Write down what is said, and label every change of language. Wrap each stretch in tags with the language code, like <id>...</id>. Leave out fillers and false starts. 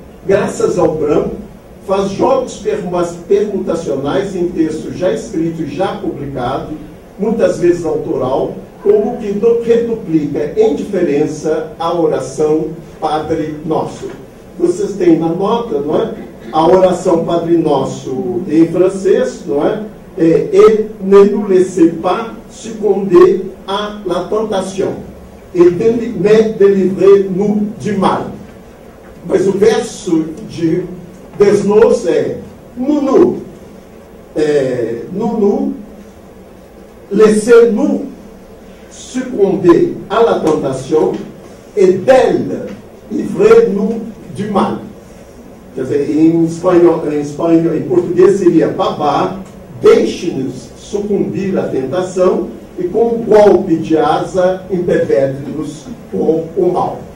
<pt>Graças ao branco, faz jogos permutacionais em texto já escrito e já publicado, muitas vezes autoral, como que reduplica em diferença a oração Padre Nosso. Vocês têm na nota, não é? A oração Padre Nosso em francês, não é? É,</pt> <fr>et ne nous laissez pas succomber à la tentation, et ne délivrez-nous du mal.</fr> <pt>Mas o verso de Desnos é Nunu, é, Nunu,</pt> <fr>laissez-nous succomber à la tentation, et délivrez-nous du mal.</fr> <pt>Quer dizer, em português seria babá. Deixe-nos sucumbir à tentação e com um golpe de asa embebede-nos com o mal.</pt>